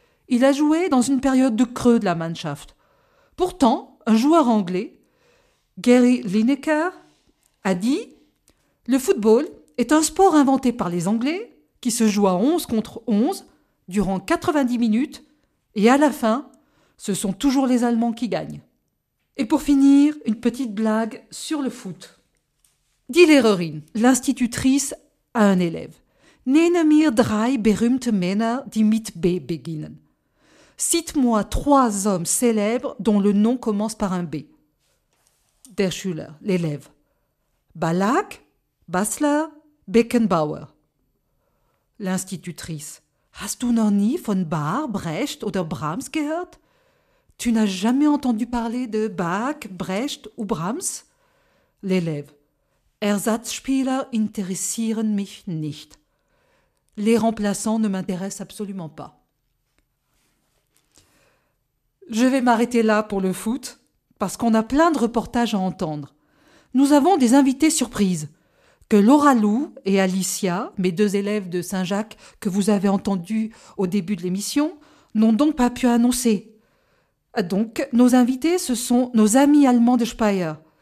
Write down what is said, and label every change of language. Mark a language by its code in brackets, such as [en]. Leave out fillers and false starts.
[fr] Il a joué dans une période de creux de la Mannschaft. Pourtant, un joueur anglais, Gary Lineker, a dit « Le football est un sport inventé par les Anglais » qui se joue à 11 contre 11 durant 90 minutes et à la fin, ce sont toujours les Allemands qui gagnent. Et pour finir, une petite blague sur le foot. [de] Die Lehrerin, [fr] l'institutrice, à un élève. [de] Nenne mir 3 berühmte Männer, die mit B beginnen. [fr] Cite-moi 3 hommes célèbres dont le nom commence par un B. [de] Der Schüler, [fr] l'élève. [de] Ballack, Basler, Beckenbauer. [fr] L'institutrice. [de] Hast du noch nie von Bach, Brecht oder Brahms gehört? [fr] Tu n'as jamais entendu parler de Bach, Brecht ou Brahms? L'élève. [de] Ersatzspieler interessieren mich nicht. [fr] Les remplaçants ne m'intéressent absolument pas. Je vais m'arrêter là pour le foot, parce qu'on a plein de reportages à entendre. Nous avons des invités surprises. Que Laura Lou et Alicia, mes 2 élèves de Saint-Jacques que vous avez entendus au début de l'émission, n'ont donc pas pu annoncer. Donc, nos invités, ce sont nos amis allemands de Speyer,